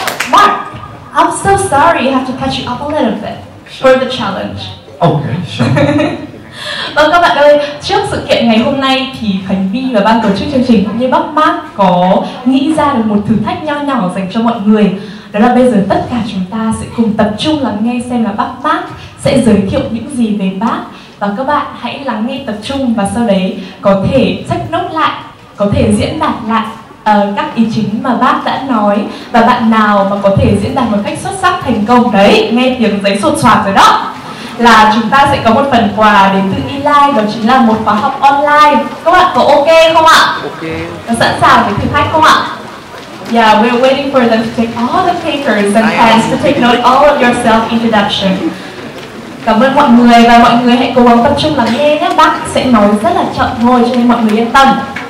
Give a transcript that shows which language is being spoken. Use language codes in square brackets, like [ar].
[en] Mark, I'm so sorry you have to catch you up a little bit for the challenge. Ok, sure. [vi] Vâng các bạn ơi, trước sự kiện ngày hôm nay thì Khánh Vy và ban tổ chức chương trình cũng như Bác Mark có nghĩ ra được một thử thách nho nhỏ dành cho mọi người. Đó là bây giờ tất cả chúng ta sẽ cùng tập trung lắng nghe xem là Bác Mark sẽ giới thiệu những gì về Bác. Và các bạn hãy lắng nghe tập trung và sau đấy có thể check note lại, có thể diễn đạt lại các ý chính mà Bác đã nói. Và bạn nào mà có thể diễn đạt một cách xuất sắc thành công đấy, nghe tiếng giấy sột soạt rồi đó, là chúng ta sẽ có một phần quà đến từ Elite, đó chính là một khóa học online. Các bạn có ok không ạ? [en] Ok. [vi] Sẵn sàng để thử thách không ạ? [en] Yeah, we're waiting for them to take all the papers and pens to take note all of your self-introduction. [vi] Cảm ơn mọi người và mọi người hãy cố gắng tập trung lắng nghe nhé. Bác sẽ nói rất là chậm thôi cho nên mọi người yên tâm.